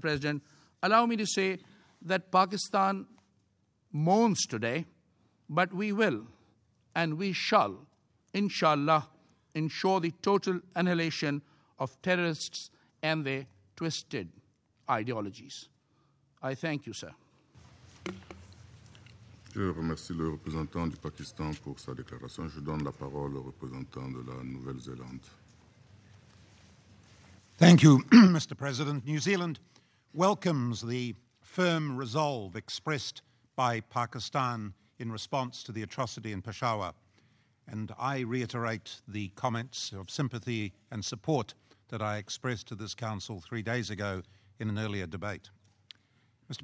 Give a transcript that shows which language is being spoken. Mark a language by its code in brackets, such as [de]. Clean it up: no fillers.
[en] President, allow me to say that Pakistan mourns today, but we will and we shall, inshallah, ensure the total annihilation of terrorists and their twisted ideologies. I thank you, sir. [fr] Je remercie le représentant du Pakistan pour sa déclaration. Je donne la parole au représentant de la Nouvelle-Zélande. [en] Thank you, Mr. President. New Zealand welcomes the firm resolve expressed by Pakistan in response to the atrocity in Peshawar. And I reiterate the comments of sympathy and support that I expressed to this council 3 days ago in an earlier debate. Mr.